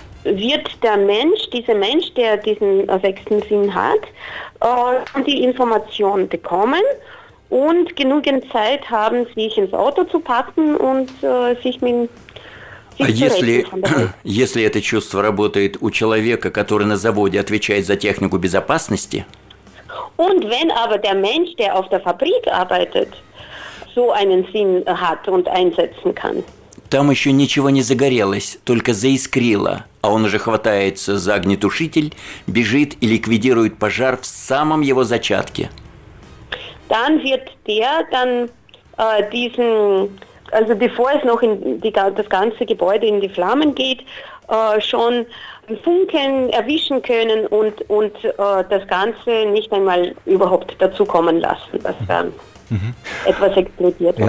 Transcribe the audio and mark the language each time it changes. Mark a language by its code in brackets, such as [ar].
[de] Wird der Mensch, dieser Mensch, der diesen sechsten Sinn hat, die Information bekommen und genügend Zeit haben, sich ins Auto zu packen und sich mit [ru] А если это чувство работает у человека, который на заводе отвечает за технику безопасности, [de] und wenn aber der Mensch, der auf der Fabrik arbeitet, so einen Sinn hat und einsetzen kann, [ru] там еще ничего не загорелось, только заискрило, а он уже хватается за огнетушитель, бежит и ликвидирует пожар в самом его зачатке. [de] Dann wird der dann diesen, also bevor es noch in das ganze Gebäude in die Flammen geht, schon Funken erwischen können und das Ganze nicht einmal überhaupt dazu kommen lassen, dass dann etwas explodiert.